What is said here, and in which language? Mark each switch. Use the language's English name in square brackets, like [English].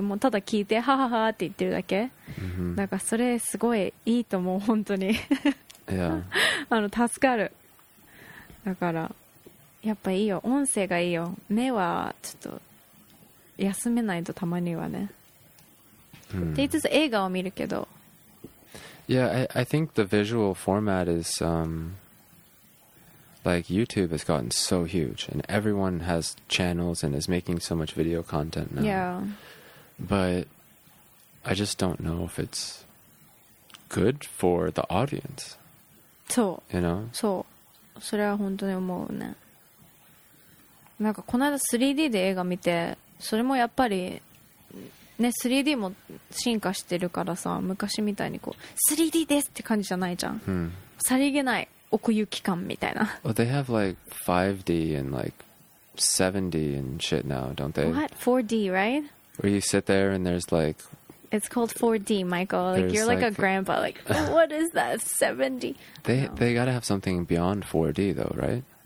[Japanese] もうただ聞いて、はははって言ってるだけ。なんかそれすごいいいと思う、本当に。 Yeah. あの、助かる。だから、やっぱいいよ。音声がいいよ。目はちょっと、休めないとたまにはね。って言いつつ映画を見るけど。 [English] Yeah, I think the visual format is, like YouTube has gotten so huge and everyone has channels and is making so much video content now. Yeah. But I just don't know if it's good for the audience. [Japanese] そう。 [English] You know? [Japanese] そう。それは本当に思うね。なんかこの間 3D で映画見て、それもやっぱり、ね、3D も進化してるからさ、昔みたいにこう 3D ですって感じじゃないじゃん、 hmm. さりげない奥行き感みたいな。 [English] Well, they have like 5D and like 7D and shit now, don't they? What? 4D, right? Where you sit there and there's like... It's called 4D, Michael. Like, you're like a grandpa. Like, what is that? 7D? They gotta have something beyond 4D though, right?